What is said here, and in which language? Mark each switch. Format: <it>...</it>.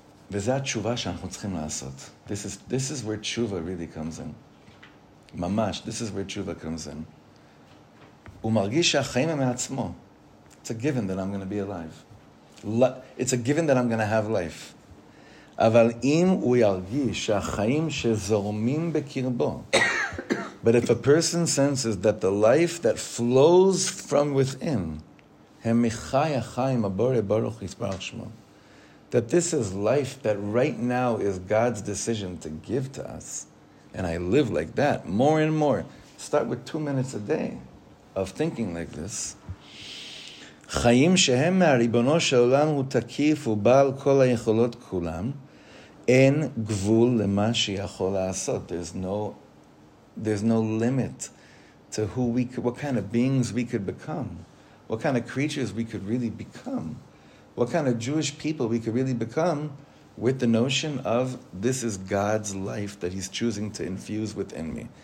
<he>וזה התשובה שאנחנו צריכים לעשות.</he> <en>This is where tshuva really comes in. Mamash, this is where tshuva comes in.</en> <he>הוא מרגיש שהחיים הם מעצמו.</he> <en>It's a given that I'm going to be alive. It's a given that I'm going to have life.</en> <he>אבל אם הוא ירגיש שהחיים שזורמים בקרבו,</he> <en>but if a person senses that the life that flows from within,</en> <he>הם מחי החיים הבורא ברוך יתברך שמו,</he> <en>that this is life that right now is God's decision to give to us, and I live like that more and more. Start with 2 minutes a day of thinking like this.</en> <he>חיים שהם מהריבונו של עולם הוא תקיף ובעל כל היכולות כולם, אין גבול למה שיכול לעשות.</he> <en>There's no limit to who we could, what kind of beings we could become, what kind of creatures we could really become, what kind of Jewish people we could really become with the notion of this is God's life that he's choosing to infuse within me.</en>